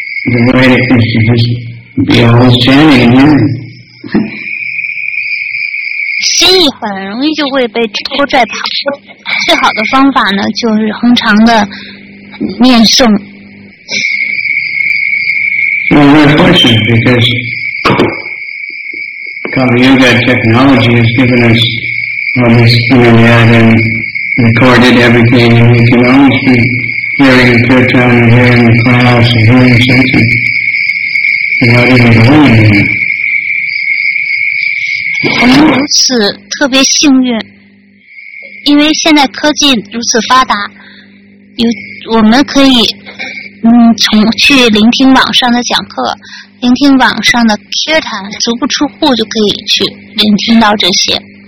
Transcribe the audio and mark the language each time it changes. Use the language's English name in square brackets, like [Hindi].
[English] The way it is to just be always chanting and hearing. [Chinese] 心一很容易就会被拖拽跑。最好的方法呢，就是恒常的念诵。 [English] Well, we're fortunate because Kali Yuga technology has given us all this internet andrecorded everything, and we can always be hearing kirtan and hearing the class and hearing something without even knowing it. [Chinese] 我们如此特别幸运，因为现在科技如此发达，我们可以从去聆听网上的讲课，聆听网上的 kirtan， 足不出户就可以去聆听到这些。